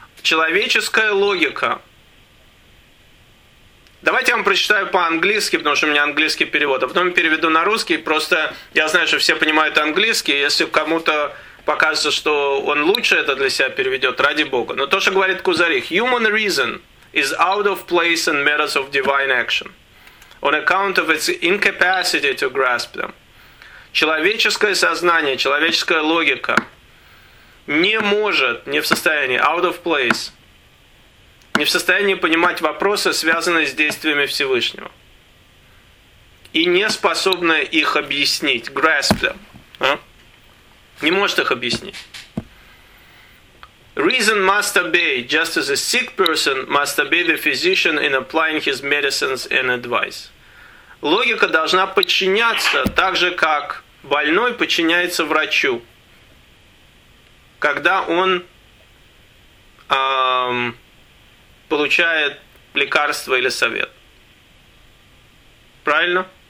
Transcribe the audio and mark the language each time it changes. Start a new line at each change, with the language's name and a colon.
Russian: Человеческая логика. Давайте я вам прочитаю по-английски, потому что у меня английский перевод. А потом переведу на русский. Просто я знаю, что все понимают английский. Если кому-то покажется, что он лучше это для себя переведет, ради бога. Но то, что говорит Кузари.
English: Human reason is out of place in matters of divine action on account of its incapacity to grasp them.
Russian: Человеческое сознание, человеческая логика не может, не в состоянии,
English: out of place,
Russian: не в состоянии понимать вопросы, связанные с действиями Всевышнего. И не способна их объяснить,
English: grasp them.
Russian: А? Не может их объяснить.
English: Reason must obey, just as a sick person must obey the physician in applying his medicines and advice.
Russian: Логика должна подчиняться так же, как больной подчиняется врачу. Когда он получает лекарство или совет. Правильно?